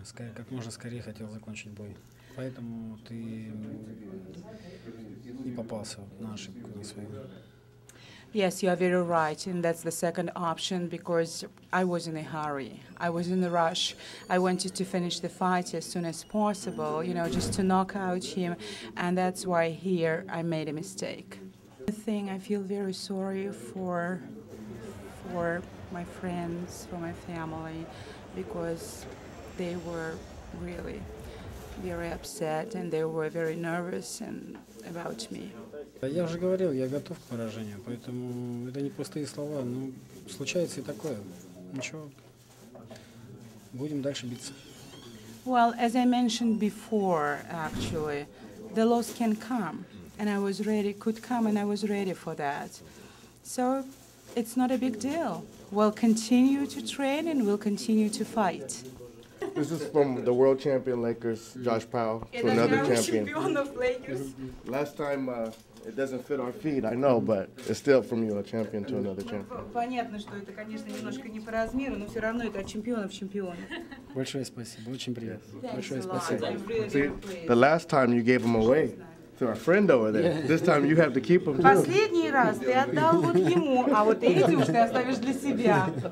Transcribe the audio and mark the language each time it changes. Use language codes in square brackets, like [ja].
[ru] Скорее, как можно скорее хотел закончить бой. Поэтому ты не попался на ошибку на свою. [en] Yes, you are very right, and that's the second option because I was in a hurry. I was in a rush. I wanted to finish the fight as soon as possible, you know, just to knock out him, and that's why here I made a mistake. The thing I feel very sorry for my friends, for my family, because they were really very upset and they were very nervous and about me. [ru] Я уже говорил, я готов к поражению, поэтому это не пустые слова, но случается и такое. Ничего, будем дальше биться. [en] Well, as I mentioned before, actually, the loss can come, and I was ready, could come, and I was ready for that. So, it's not a big deal. We'll continue to train, and we'll continue to fight. This is from the world champion Lakers, Josh Powell, to another champion. Last time, it doesn't fit our feet, I know, but it's still from you, a champion to another champion. [ru] Понятно, что это, конечно, немножко не по размеру, но все равно это от чемпиона в чемпион. Большое спасибо, очень приятно. Большое спасибо. [en] The last time you gave him away to our friend over there. This time you have to keep him. [ru] Последний раз ты отдал вот ему, а вот эти уж ты оставишь для себя.